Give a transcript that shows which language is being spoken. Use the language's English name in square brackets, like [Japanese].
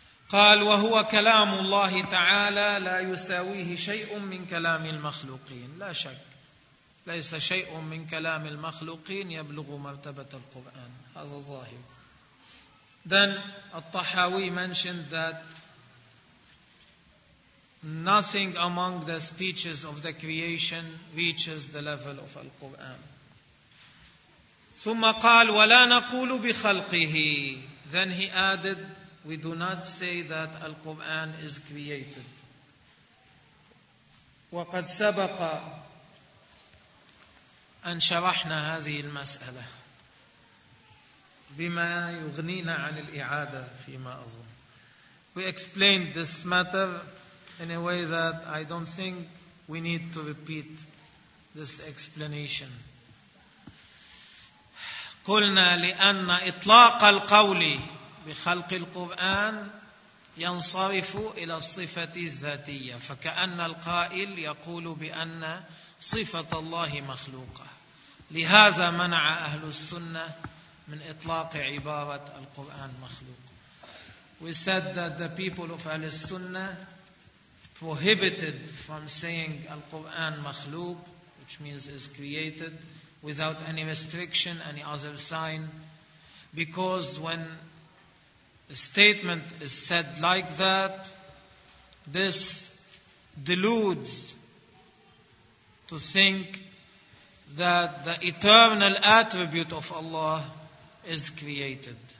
[Arabic] قال وهو كلام الله تعالى لا يساويه شيء من كلام المخلوقين. لا شك ليس شيء من كلام المخلوقين يبلغ مرتبة القرآن. هذا ظاهر. [English] Then الطحاوي mentioned that nothing among the speeches of the creation reaches the level of Al-Quran. [Arabic] ثم قال ولا نقول بخلقه. [English] Then he added, we do not say that Al-Quran is created. [Arabic] وقد سبق أن شرحنا هذه المسألة بما يغنينا عن الإعادة فيما أظن. [English] We explained this matter in a way that I don't think we need to repeat this explanation. [Arabic] قلنا لأن إطلاق القول بخلق القرآن ينصرف إلى الصفة الذاتية، فكأن القائل يقول بأن صفة الله مخلوقة. لهذا منع أهل السنة من إطلاق عبارة القرآن مخلوق. [English] We said that the people of Ahl Sunnah prohibited from saying Al-Quran makhluq, which means is created, without any restriction, any other sign. Because when a statement is said like that, this deludes to think that the eternal attribute of Allah is created.